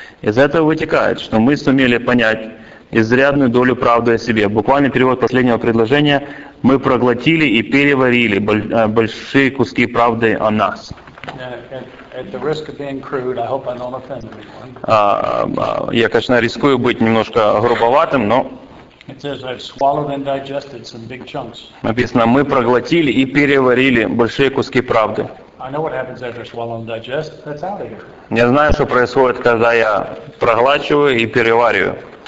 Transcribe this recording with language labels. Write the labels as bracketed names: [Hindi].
[Russian] Из этого вытекает, что мы сумели понять изрядную долю правды о себе. Буквально перевод последнего предложения: мы проглотили и переварили большие куски правды о нас. Я, конечно, рискую быть немножко грубоватым, но... [English] It says, I've swallowed and digested some big chunks. [Russian] Написано, мы проглотили и переварили большие куски правды. [English] I know what happens after swallow and digest. That's out of here. [Russian] Я знаю, что происходит, когда я проглачиваю и перевариваю.